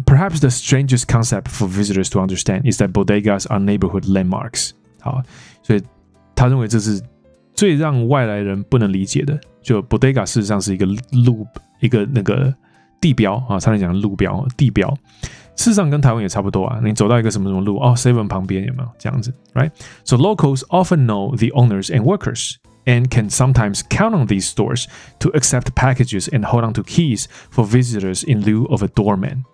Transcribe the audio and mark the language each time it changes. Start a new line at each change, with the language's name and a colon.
English: Perhaps the strangest concept for visitors to understand is that bodegas are neighborhood landmarks.
Chinese: 好，所以他认为这是最让外来人不能理解的。就 bodega 事实上是一个路，一个那个地标啊，差点讲路标地标。事实上跟台湾也差不多啊，你走到一个什么什么路哦 7 旁边有没有这样子
English: right? So locals often know the owners and workers and can sometimes count on these stores to accept packages and hold on to keys for visitors in lieu of a doorman.